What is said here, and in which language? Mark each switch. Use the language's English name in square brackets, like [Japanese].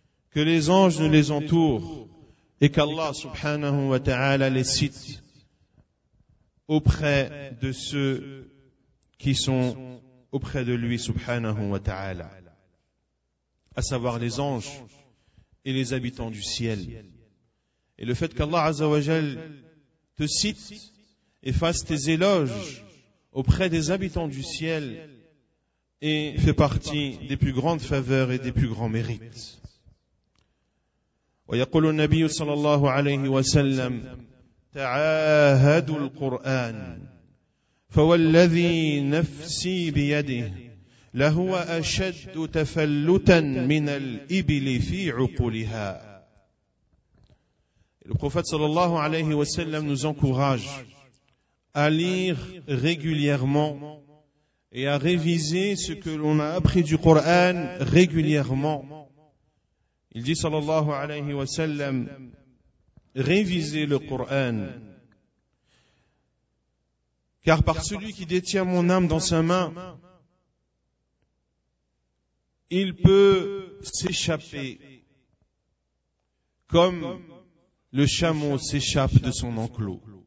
[French] que les anges ne les entourent et qu'Allah subhanahu wa ta'ala les cite auprès de ceux qui sont auprès de lui subhanahu wa ta'ala, à savoir les anges et les habitants du ciel. Et le fait qu'Allah azza wa jal te cite et fasse tes éloges auprès des habitants du ciel et fait partie des plus grandes faveurs et des plus grands mérites. [Arabic] ويقول النبي صلى الله عليه وسلم تعاهدوا القرآن فوالذي نفسي بيده لهو أشد تفلتا من الإبل في عقولها. [French] Le prophète صلى الله عليه وسلم nous encourage à lire régulièrement et à réviser ce que l'on a appris du Coran régulièrement. Il dit sallallahu alayhi wa sallam, révisez le Coran, car par celui qui détient mon âme dans sa main, il peut s'échapper comme le chameau s'échappe de son enclos.